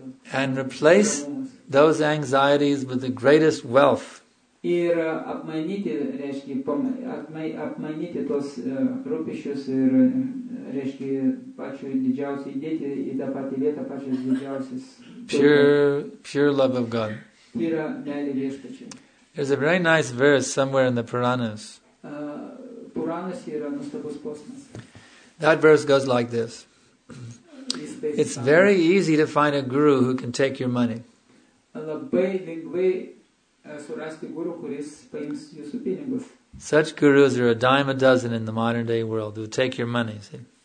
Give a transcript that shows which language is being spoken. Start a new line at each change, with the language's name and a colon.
English: And replace those anxieties with the greatest wealth.
Lithuanian: Ir apmainyti, reiškia, apmainyti tos rūpiščius ir, reiškia, pačių didžiausių įdėti į tą patį vietą, pačius didžiausius.
English: Pure love of God.
Lithuanian: Yra meilė Viešpačiui.
English: There's a very nice verse somewhere in the Puranas.
Lithuanian: Puranas yra nuostabus posmas.
English: That verse goes like this. It's very easy to find a guru who can take your money.
Lithuanian: Labai lengvai surasti guru, kuris paims jūsų pinigus.
English: Such gurus are a dime a dozen in the modern day world who take your money, see?